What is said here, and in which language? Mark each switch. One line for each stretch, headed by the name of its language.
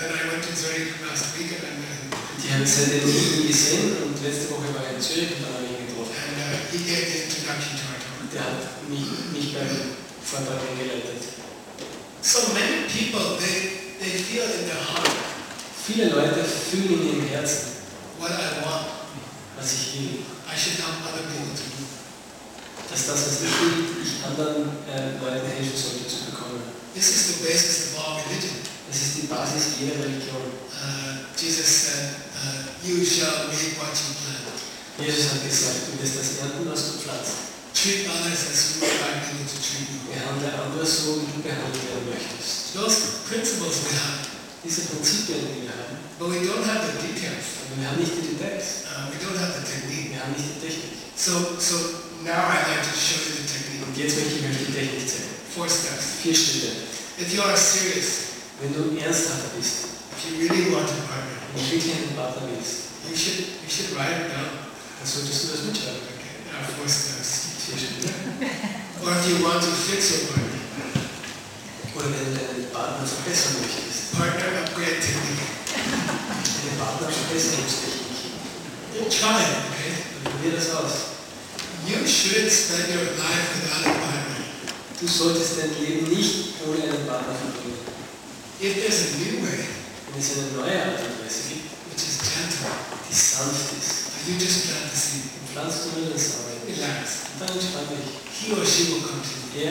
English: Then I went to Zurich last week and then...
German: Die haben seitdem nie gesehen und letzte Woche war er in Zürich und dann habe ich ihn getroffen.
English: And he gave the introduction to our talk.
German: Der hat mich beim Vortrag eingeleitet.
English: So many people, they feel in their heart.
German: Viele Leute fühlen in ihrem Herzen,
English: what I want,
German: was ich will.
English: I should help other people to do.
German: Dass das, was ich will, ich anderen Leuten helfen sollte zu bekommen.
English: This is the basis of all religion.
German: Das ist die Basis jeder Religion.
English: Jesus said, you shall reap what you plant.
German: Jesus hat gesagt, du wirst das ernten, was du pflanzt.
English: Treat others as you would like people to treat you.
German: Behandle andere so, wie du behandelt werden möchtest.
English: Those principles we have.
German: Diese Prinzipien, die wir haben.
English: But we don't have the details.
German: Aber wir haben nicht die Details.
English: We don't have the technique.
German: Wir haben nicht die Technik.
English: So now I'd like to show you the technique.
German: Und jetzt möchte ich euch die Technik zeigen.
English: 4 steps.
German: 4 Schritte.
English: If you are serious.
German: Wenn du ernsthaft bist.
English: If you really want a partner.
German: Wenn du wirklich einen Partner willst.
English: You should write it down.
German: Dann solltest du das mitschreiben.
English: Okay. 4 steps. Yeah. Or if you want to fix your partner.
German: Oder wenn du deinen Partner verbessern möchtest.
English: Partner upgrade technique.
German: Wenn deinen Partner verbessern möchtest.
English: Then try it, okay?
German: Dann probier das aus.
English: You should spend your life without a partner.
German: Du solltest dein Leben nicht ohne einen Partner verbringen.
English: If there's a new way.
German: Wenn es eine neue Art und Weise gibt.
English: Which is gentle.
German: Die sanft ist.
English: You just plant the seed.
German: Dann pflanzt du nur den Samen.
English: Relax.
German: Dann entspann dich.
English: He or she will come to you.